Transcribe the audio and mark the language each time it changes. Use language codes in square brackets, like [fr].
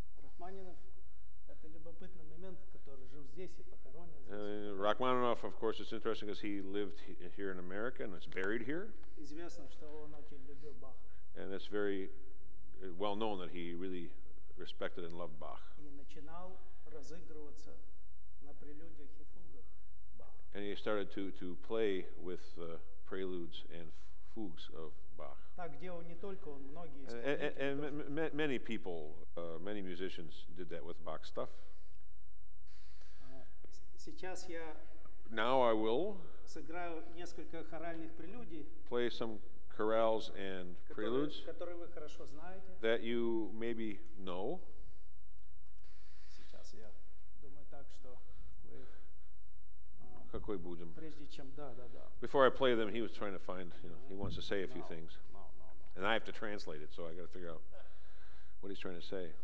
[ru] Рахманинов – это любопытный момент, который жил здесь и похоронен здесь. [en] Rachmaninoff, of course, is interesting because he lived here in America and is buried here. [ru] Известно, что он очень любил Баха. [en] And it's very well known that he really respected and loved Bach. [ru] И начинал разыгрываться на прелюдиях и фугах Баха. [en] And he started to play with the preludes and fugues of Bach. [ru] Так делал не только он, многие исполнители. [en] Many people, many musicians did that with Bach stuff. [ru] Сейчас я [en] Now I will [ru] сыграю несколько хоральных прелюдий. [en] Play some chorales and preludes [ru] которые вы хорошо знаете. [en] That you maybe know. [ru] Сейчас я думаю так, что вы Какой будем? Прежде чем, да. [en] Before I play them, he was trying to find, you know, he wants to say a few things. No. And I have to translate it, so I got to figure out what he's trying to say.